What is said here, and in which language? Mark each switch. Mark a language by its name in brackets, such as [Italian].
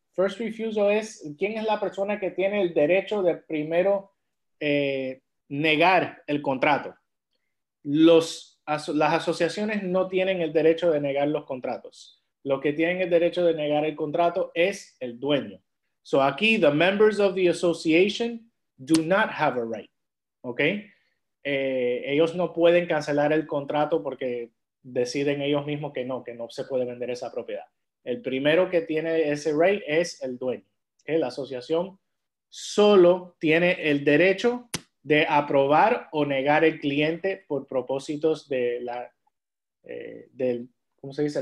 [Spanish] First refusal es quién es la persona que tiene el derecho de primero negar el contrato. Las asociaciones no tienen el derecho de negar los contratos. Lo que tienen el derecho de negar el contrato es el dueño. [English] So aquí, the members of the association do not have a right. [Spanish] ¿Okay? Ellos no pueden cancelar el contrato porque... deciden ellos mismos que no se puede vender esa propiedad. El primero que tiene ese right es el dueño. ¿Okay? La asociación solo tiene el derecho de aprobar o negar el cliente por propósitos de la, ¿cómo se dice?